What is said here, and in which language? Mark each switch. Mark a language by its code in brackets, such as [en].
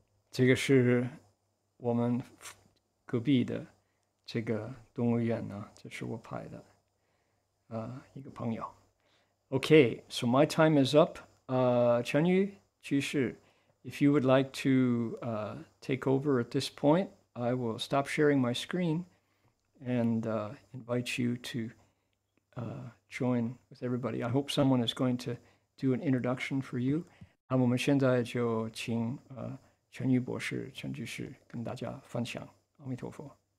[zh] 这个是我们隔壁的这个动物园呢，这是我拍的，一个朋友。 [en] Okay, so my time is up. Chen Yu, [zh] 其实, [en] if you would like to take over at this point, I will stop sharing my screen and invite you to join with everybody. I hope someone is going to do an introduction for you. [zh] 那我们现在就请 陈玉博士跟大家分享阿弥陀佛